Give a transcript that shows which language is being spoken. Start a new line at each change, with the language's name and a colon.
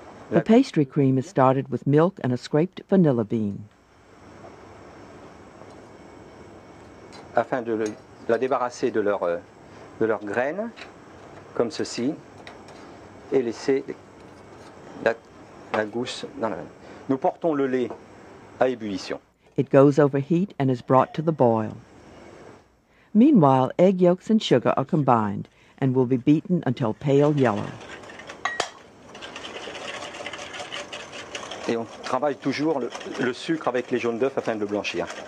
English: The pastry cream is started with milk and a scraped vanilla bean.
French: Afin de la débarrasser de leur graines, comme ceci, et laisser la gousse. Nous portons le lait à ébullition.
English: It goes over heat and is brought to the boil. Meanwhile, egg yolks and sugar are combined and will be beaten until pale yellow.
French: Et on travaille toujours le sucre avec les jaunes d'œufs afin de le blanchir.